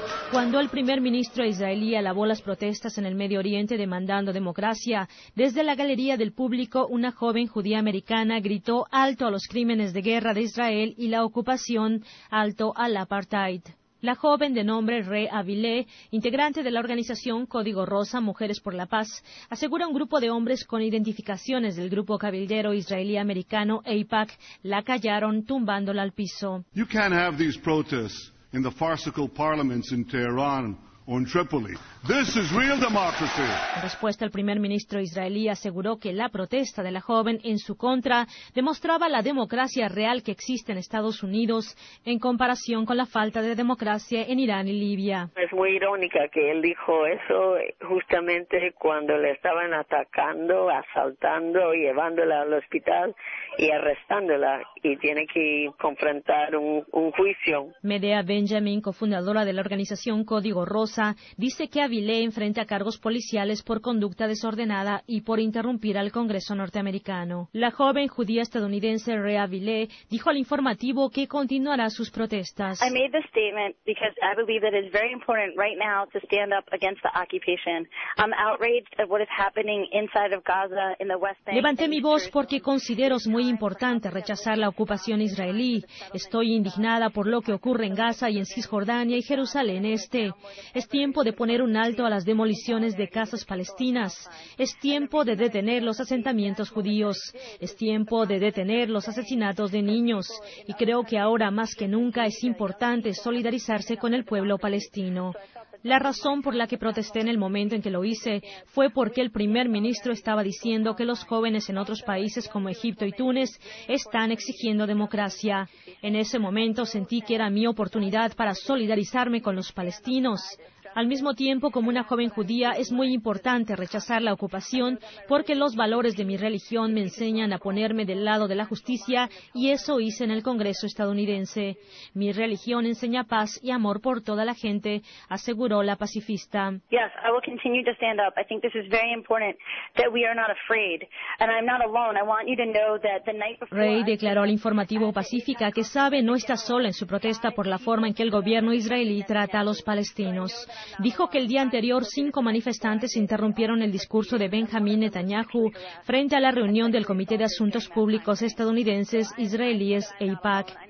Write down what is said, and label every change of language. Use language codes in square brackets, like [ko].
[es] Cuando el primer ministro israelí alabó las protestas en el Medio Oriente demandando democracia, desde la galería del público una joven judía americana gritó alto a los crímenes de guerra de Israel y la ocupación, alto al apartheid. La joven de nombre Re Avilé, integrante de la organización Código Rosa Mujeres por la Paz, asegura un grupo de hombres con identificaciones del grupo cabildero israelí-americano AIPAC la callaron tumbándola al piso. [en] You can't have these protests in the farcical parliaments in Tehran. This is real democracy. [es] En respuesta, el primer ministro israelí aseguró que la protesta de la joven en su contra demostraba la democracia real que existe en Estados Unidos en comparación con la falta de democracia en Irán y Libia. Es muy irónica que él dijo eso justamente cuando le estaban atacando, asaltando, llevándola al hospital y arrestándola, y tiene que confrontar un juicio. Medea Benjamin, cofundadora de la organización Código Rosa, dice que Avilé enfrenta cargos policiales por conducta desordenada y por interrumpir al Congreso norteamericano. La joven judía estadounidense Re Avilé dijo al informativo que continuará sus protestas. [en] I made this statement because I believe that it is very important right now to stand up against the occupation. I'm outraged at what is happening inside of Gaza in the West Bank. [es] Levanté mi voz porque considero muy importante rechazar la ocupación israelí. Estoy indignada por lo que ocurre en Gaza y en Cisjordania y Jerusalén Este. Es tiempo de poner un alto a las demoliciones de casas palestinas. Es tiempo de detener los asentamientos judíos. Es tiempo de detener los asesinatos de niños. Y creo que ahora más que nunca es importante solidarizarse con el pueblo palestino. La razón por la que protesté en el momento en que lo hice fue porque el primer ministro estaba diciendo que los jóvenes en otros países como Egipto y Túnez están exigiendo democracia. En ese momento sentí que era mi oportunidad para solidarizarme con los palestinos. Al mismo tiempo, como una joven judía, es muy importante rechazar la ocupación porque los valores de mi religión me enseñan a ponerme del lado de la justicia y eso hice en el Congreso estadounidense. Mi religión enseña paz y amor por toda la gente, aseguró la pacifista. [en] Yes, I will continue to stand up. I think this is very important that we are not afraid and I'm not alone. I want you to know that the night before. [es] Rey declaró al informativo Pacífica que sabe no está sola en su protesta por la forma en que el gobierno israelí trata a los palestinos. Dijo que el día anterior 5 manifestantes interrumpieron el discurso de Benjamín Netanyahu frente a la reunión del Comité de Asuntos Públicos Estadounidenses, Israelíes e AIPAC.